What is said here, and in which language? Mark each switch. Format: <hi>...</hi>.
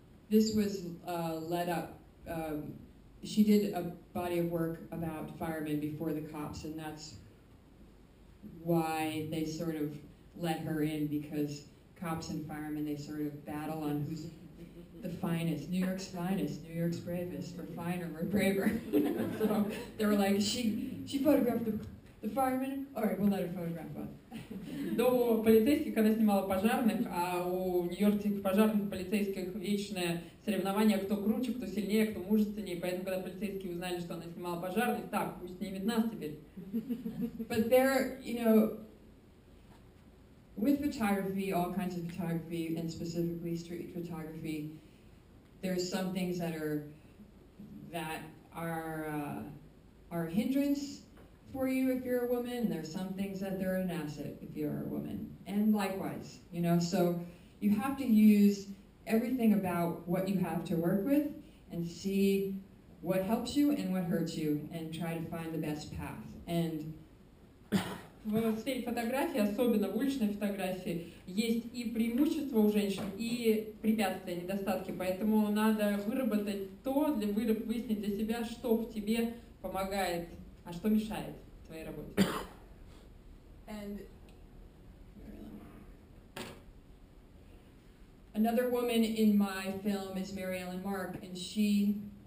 <en>This was led up, she did a body of work about firemen before the cops, and that's why they sort of let her in, because cops and firemen, they sort of battle on who's the finest, New York's finest, New York's bravest, or finer, or braver. So they were like, she photographed the the firemen, or we'll let her photograph, but...</en> <ru>До полицейских она снимала пожарных, а у нью-йоркских пожарных полицейских вечное соревнование, кто круче, кто сильнее, кто мужественнее. Поэтому, когда полицейские узнали, что она снимала пожарных, так, пусть не видит нас теперь.</ru> <en>But there, you know, with photography, all kinds of photography, and specifically street photography, there are some things that are a hindrance for you if you're a woman, there's some things that they're an asset if you're a woman, and likewise, you know, so you have to use everything about what you have to work with and see what helps you and what hurts you and try to find the best path. And</en> <ru>в сфере фотографии, особенно в уличной фотографии, есть и преимущества у женщин, и препятствия, недостатки, поэтому надо выработать то, для выяснить для себя, что в тебе помогает. А что мешает твоей работе?</ru> <en>And another woman in my film is Mary Ellen Mark, and she...</en>